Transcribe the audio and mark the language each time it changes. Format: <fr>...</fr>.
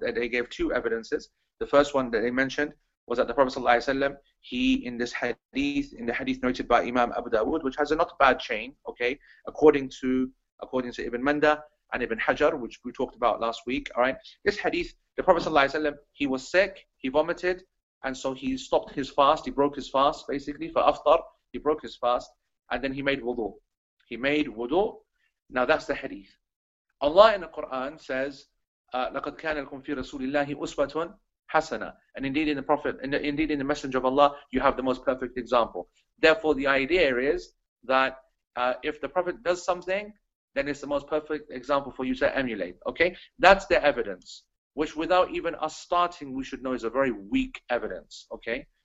<en>They gave two evidences. The first one that they mentioned was that the Prophet sallallahu alaihi wasallam, he in the hadith noted by Imam Abu Dawud, which has a not bad chain, okay, according to Ibn Manda and Ibn Hajar, which we talked about last week, all right. This hadith, the Prophet sallallahu alaihi wasallam, he was sick, he vomited, and so he stopped his fast, he broke his fast, basically, for aftar, he broke his fast, and then he made wudu. He made wudu. Now that's the hadith. Allah in the Quran says,</en> <ar>لَقَدْ كَانَ لَكُمْ فِي رَسُولِ اللَّهِ أُسْوَةٌ حَسَنًا.</ar> <en>And indeed in the Prophet, indeed in the Messenger of Allah, you have the most perfect example. Therefore, the idea is that if the Prophet does something, then it's the most perfect example for you to emulate. Okay, that's the evidence, which without even us starting, we should know is a very weak evidence, okay?</en>